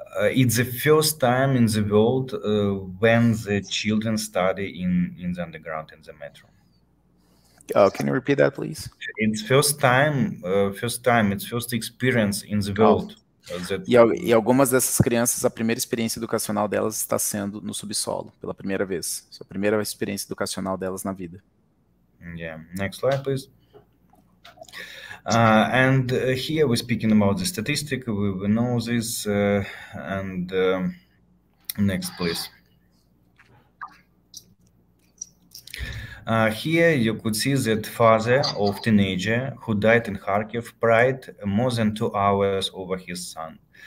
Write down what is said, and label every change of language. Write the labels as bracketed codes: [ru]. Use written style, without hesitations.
[en] It's the first time in the world when the children study in the underground, in the metro. Oh, can you repeat that, please? It's first time, it's first experience in the world. [pt] E algumas dessas crianças, a primeira experiência educacional delas está sendo no subsolo, pela primeira vez. É a primeira experiência educacional delas na vida. [en] Yeah, next slide, please. And here we're speaking about the statistic, we know this, next, please. Here you could see that father of teenager who died in Kharkiv cried more than 2 hours over his son.